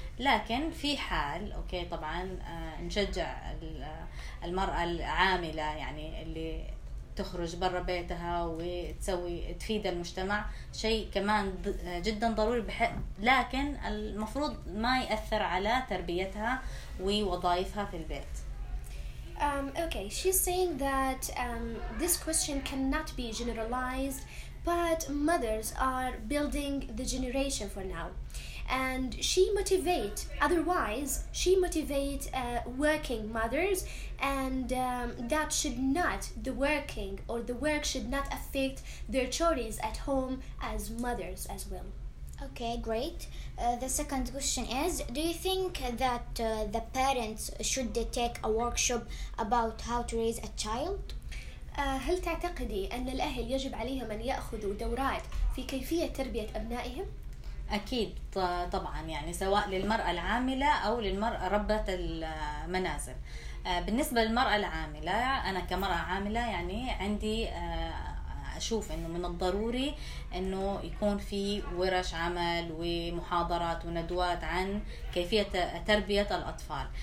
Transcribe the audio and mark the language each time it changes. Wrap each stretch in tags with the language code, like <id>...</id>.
<ar>لكن في حال، أوكي طبعا نشجع المرأة العاملة، يعني اللي تخرج برا بيتها وتسوي تفيد المجتمع، شيء كمان جدا ضروري لكن المفروض ما يأثر على تربيتها ووظائفها في البيت.</ar> <en>Okay, she's saying that this question cannot be generalized, but mothers are building the generation for now. And she motivate, otherwise, she motivate working mothers, and that should not, the working or the work should not affect their choices at home as mothers as well. Okay, great. The second question is, do you think that the parents should take a workshop about how to raise a child?</en> <ar>هل تعتقدي أن الأهل يجب عليهم أن يأخذوا دورات في كيفية تربية أبنائهم؟ أكيد طبعا، يعني سواء للمرأة العاملة أو للمرأة ربة المنازل. بالنسبة للمرأة العاملة، أنا كمرأة عاملة يعني عندي أشوف أنه من الضروري أنه يكون في ورش عمل ومحاضرات وندوات عن كيفية تربية الأطفال.</ar>